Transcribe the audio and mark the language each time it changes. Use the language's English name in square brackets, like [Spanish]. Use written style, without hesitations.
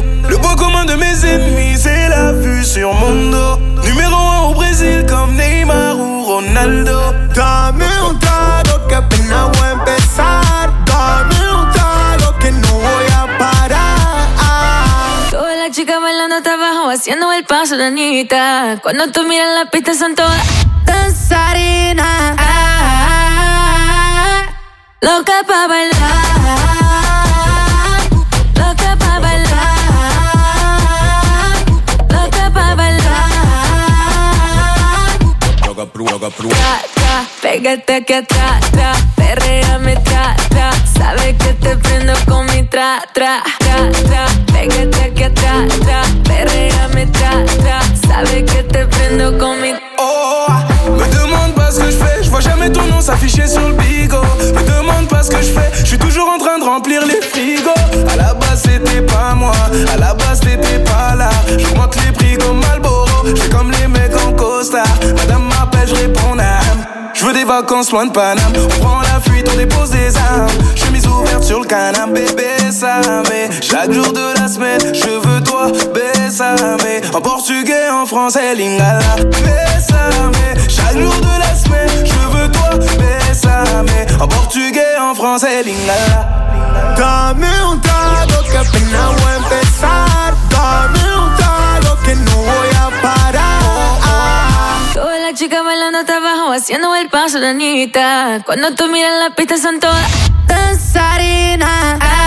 [French] Le point commun de mes ennemis, c'est la vue sur mon dos. Numéro 1 au Brésil comme Neymar ou Ronaldo. [Spanish] Dame un trago que apenas voy a empezar. Dame un trago que no voy a parar. Toda la chica bailando hasta abajo, haciendo el paso de Anita. Cuando tú miras la pista son todas danzarinas. Loca pa' bailar. Tra, tra, pégate aquí atrás, tra, perréame, tra, tra. Sabes que te prendo con mi tra, tra, tra, tra. Pégate aquí atrás, tra, perréame, tra, tra. Sabes que te prendo con mi. [French] Oh, me demande pas ce que je fais. Je vois jamais ton nom s'afficher sur le bigo. Me demande pas ce que je fais. Je suis toujours en train de remplir les frigos. À la base, c'était pas moi. À la base, t'étais pas là. J'augmente les prix comme Malboro. J'fais comme les mecs en costard. Madame m'appelle, j'réponds nam. J'veux des vacances loin de Paname. On prend la fuite, on dépose des armes. Chemise ouverte sur le canapé, bébé, ça met. Chaque jour de la semaine, je veux toi, bébé, ça met. En portugais, en français, lingala, bébé, ça met. Chaque jour de la semaine, je veux toi, bébé, ça met. En portugais, en français, lingala. [Spanish] Dame un trago que apenas voy a empezar. Dame un trago que no voy a parar. Toda la chica bailando hasta abajo, haciendo el paso de Anita. Cuando tú miras la pista son todas danzarinas.